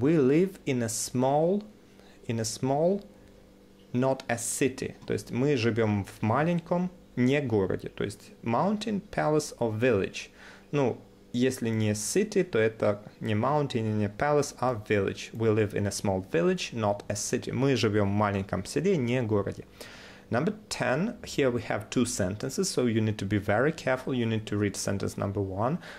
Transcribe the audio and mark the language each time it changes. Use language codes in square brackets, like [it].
[en] We live in a small, not a city. [ru] То есть мы живем в маленьком, не городе. То есть [en] mountain, palace or village. [ru] Ну, если не city, то это не mountain, не palace, а village. [en] We live in a small village, not a city. [ru] Мы живем в маленьком селе, не городе. [en] Number 10, here we have two sentences, so you need to be very careful, you need to read sentence number 1.